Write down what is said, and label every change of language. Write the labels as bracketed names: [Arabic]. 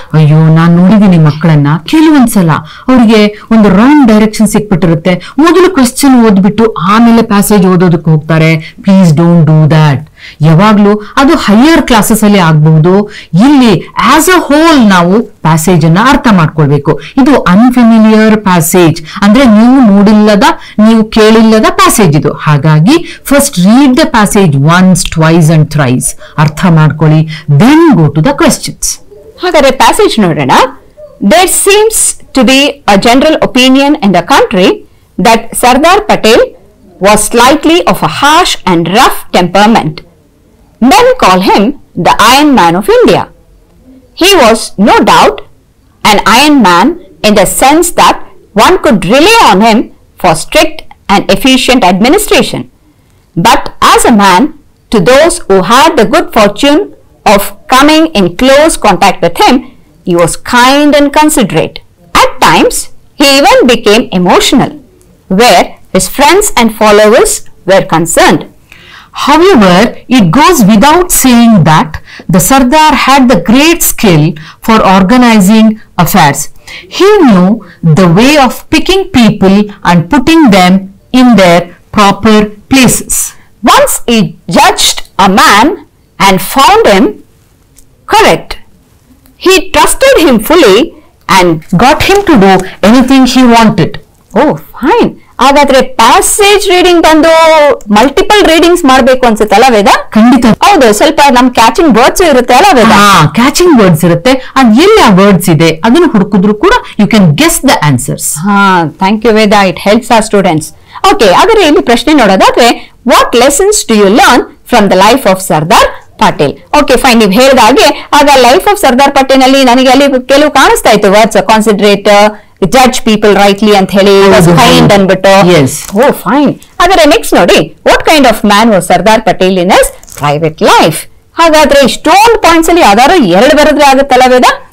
[Kannada] ಅಯ್ಯೋ ನಾನು ನೋಡಿದೀನಿ ಮಕ್ಕಳನ್ನ ಕೆಲವೊಂದ್ಸಲ ಅವರಿಗೆ ಒಂದು ರಾಂಗ್ ಡೈರೆಕ್ಷನ್ ಸಿಕ್ಬಿಟ್ಟಿರುತ್ತೆ ಮೊದಲು ಕ್ವೆಶ್ಚನ್ ಓದ್ಬಿಟ್ಟು ಆಮೇಲೆ ಪ್ಯಾಸೇಜ್ ಓದೋದಕ್ಕೆ ಹೋಗ್ತಾರೆ [English] please don't do that [Kannada] ಯಾವಾಗ್ಲೂ ಅದು ಹೈಯರ್ ಕ್ಲಾಸಸ್ ಅಲ್ಲಿ ಆಗಬಹುದು ಇಲ್ಲಿ ಆಸ್ ಅ ಹೋಲ್ ನಾವು ಪ್ಯಾಸೇಜ್ ಅನ್ನ ಅರ್ಥ ಮಾಡ್ಕೊಳ್ಬೇಕು ಇದು ಅನ್ಫೆಮಿಲಿಯರ್ ಪ್ಯಾಸೇಜ್ ಅಂದ್ರೆ ನೀವು ನೋಡಿಲ್ಲದ ನೀವು ಕೇಳಿಲ್ಲದ ಪ್ಯಾಸೇಜ್ ಇದು ಹಾಗಾಗಿ [English] first read the passage once twice and thrice [Kannada] ಅರ್ಥ ಮಾಡ್ಕೊಳ್ಳಿ [English] then go to the questions [Kannada] ಹಾಗಾದ್ರೆ ಪ್ಯಾಸೇಜ್ ನೋಡೋಣ [English] There seems to be a general opinion in the country that Sardar Patel was slightly of a harsh and rough temperament Men call him the Iron Man of India. He was no doubt an Iron Man in the sense that one could rely on him for strict and efficient administration. But as a man, to those who had the good fortune of coming in close contact with him, he was kind and considerate. At times, he even became emotional, where his friends and followers were concerned. However, it goes without saying that the Sardar had the great skill for organizing affairs. He knew the way of picking people and putting them in their proper places. Once he judged a man and found him correct, he trusted him fully and got him to do anything he wanted. Oh, fine. [Kannada] ಹಾಗಾದ್ರೆ passage reading ಬಂದು multiple readings ಮಾಡಬೇಕು ಅನ್ಸುತ್ತಲ್ಲ ವೇದ ಖಂಡಿತ ಹೌದು ಸ್ವಲ್ಪ ನಮ್ catching words ಇರುತ್ತೆ ಅಲ್ಲ ವೇದ catching words ಇರುತ್ತೆ ಅದ್ ಎಲ್ಲಿ ಆ ವರ್ಡ್ಸ್ ಇದೆ ಅದನ್ನು ಹುಡುಕಿದ್ರು ಕೂಡ [English] you can guess the answers [Kannada] ಹಾ [English] thank you Veda it helps our students [Kannada] okay ಆದರೆ ಇಲ್ಲಿ ಪ್ರಶ್ನೆ ನೋಡೋದಾದ್ರೆ [English] what lessons to you learn from the life of Sardar Patel [Kannada] okay fine ನೀವು ಹೇಳಿದಾಗೆ ಆಗ ಲೈಫ್ ಆಫ್ ಸರ್ದಾರ್ ಪಟೇಲ್ ಅಲ್ಲಿ ನನಗೆ ಅಲ್ಲಿ ಕೆಲವು ಕಾಣಿಸ್ತಾ ಇತ್ತು words concentrate judge people rightly ಅಂತ ಹೇಳಿ ಕೈಂಡ್ ಅನ್ಬಿಟ್ಟು ಓ ಫೈನ್ ಆದರೆ ನೆಕ್ಸ್ಟ್ ನೋಡಿ [English] what kind of man was Sardar Patel in his private life [Kannada] ಹಾಗಾದ್ರೆ ಇಷ್ಟೊಂದು ಪಾಯಿಂಟ್ಸ್ ಅಲ್ಲಿ ಯಾರು ಎರಡು ಬರೆದ್ರೆ ಆಗುತ್ತಲ್ಲ ವೇದ